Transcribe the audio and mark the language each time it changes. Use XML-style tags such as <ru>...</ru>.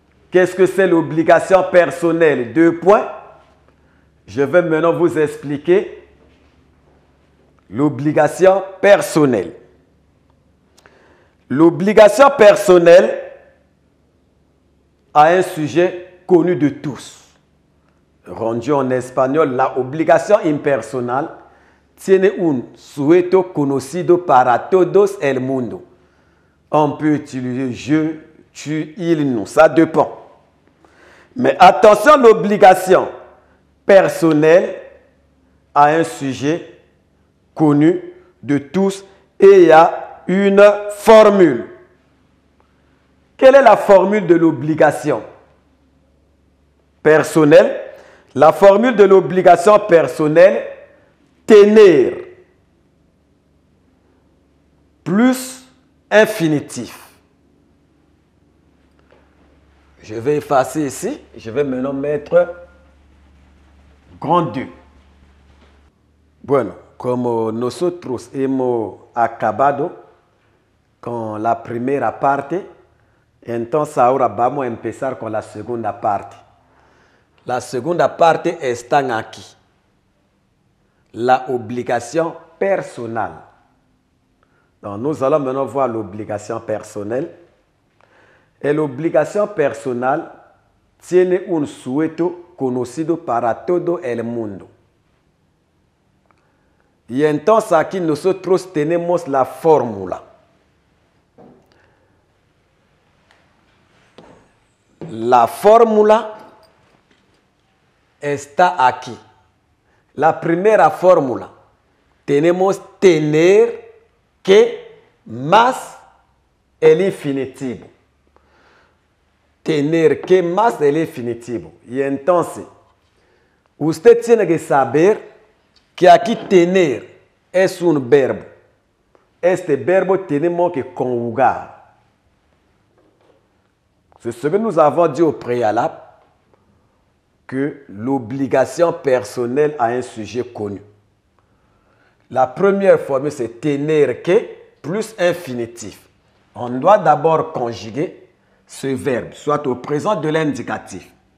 <fr>Qu'est-ce que c'est l'obligation personnelle? Deux points. Je vais maintenant vous expliquer l'obligation personnelle. L'obligation personnelle a un sujet connu de tous. Rendu en espagnol,</fr> <es>la obligación impersonal tiene un sujeto conocido para todos el mundo.</es> <fr>On peut utiliser je, tu, il, nous, ça dépend. Mais attention, l'obligation personnelle a un sujet connu de tous et a une formule. Quelle est la formule de l'obligation personnelle? La formule de l'obligation personnelle, tenir plus infinitif. Je vais effacer ici. Je vais maintenant mettre grand 2.</fr> <es>Bueno, como nosotros hemos acabado con la primera parte, entonces ahora vamos a empezar con la segunda parte. La segunda parte está aquí. La obligación personal.</es> <fr>Donc, nous allons maintenant voir l'obligation personnelle. Et l'obligation personnelle</fr> <es>tiene un sujeto conocido para todo el mundo. Y entonces aquí nosotros tenemos la fórmula. La fórmula está aquí. La primera fórmula. Tenemos tener que más el infinitivo. Tener que más el infinitivo. Y entonces, usted tiene que saber que aquí tener es un verbo. Este verbo tenemos que conjugar.</es> <fr>C'est ce que nous avons dit au préalable, que l'obligation personnelle a un sujet connu. La première formule, c'est tener que plus infinitif. On doit d'abord conjuguer ce verbe, soit au présent de l'indicatif.</fr>